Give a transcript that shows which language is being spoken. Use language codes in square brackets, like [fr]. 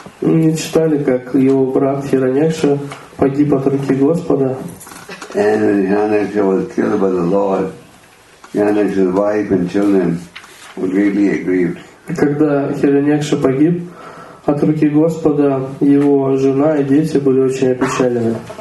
[ru] Мы читали, как его брат Хираньякша погиб от руки Господа. [en] And when Hiranyaksha was killed by the Lord, Hiranyaksha's wife and children were greatly aggrieved. [ru] Когда Хираньякша погиб от руки Господа, его жена и дети были очень опечалены.